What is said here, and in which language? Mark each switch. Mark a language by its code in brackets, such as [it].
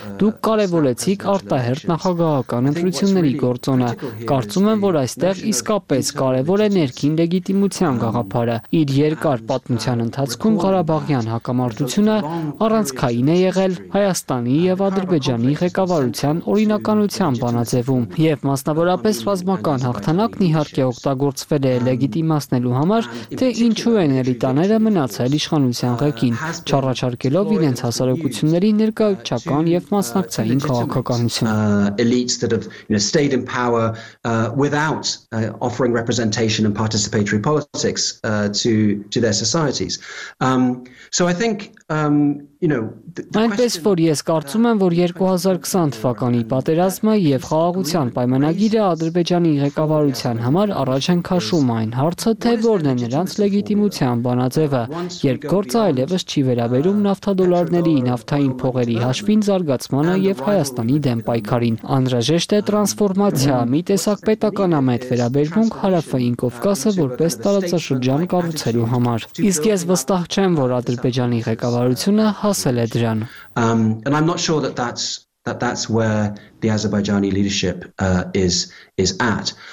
[hy] Դուք կարևորեցիք արտահերթ նախագահական ընտրությունների գործոնը։ Կարծում եմ, որ այստեղ իսկապես կարևոր է ներքին լեգիտիմության գաղափարը։ Իր երկար պատմության ընթացքում Ղարաբաղյան հակամարտությունը առանցքային է եղել Հայաստանի եւ Ադրբեջանի ղեկավարության օրինականության բանաձևում, եւ մասնավորապես ռազմական հաղթանակն իհարկե ուղարկել օգտագործվել է լեգիտիմացնելու համար, թե ինչու են ելիտաները մնացել իշխանության ղեկին, չառաջարկելով իրենց հասարակությունների ներկայացական եւ մասնակցային քաղաքականություն. [en] Elites that have stayed in power without offering representation and participatory politics to their societies. So I think [hy] Այնպես որ ես կարծում եմ, որ 2020 թվականի պատերազմը եւ խաղաղության պայմանագիրը Ադրբեջանի ղեկավարության համար առաջ են քաշում այն հարցը, թե որն է նրանց լեգիտիմության բանաձևը, երբ գործը այլևս չի վերաբերում նավթադոլարների նավթային փողերի հաշվին զարգացմանը եւ Հայաստանի դեմ պայքարին։ Անհրաժեշտ է տրանսֆորմացիա, մի տեսակ պետականամետ վերաբերմունք հարավային Կովկասը որպես տարածաշրջան կառուցելու համար։ Իսկ ես վստահ չեմ, որ Ադրբեջանի ղեկավարությունը հասել է դրան։ [en] And I'm not sure that's where the Azerbaijani leadership is at.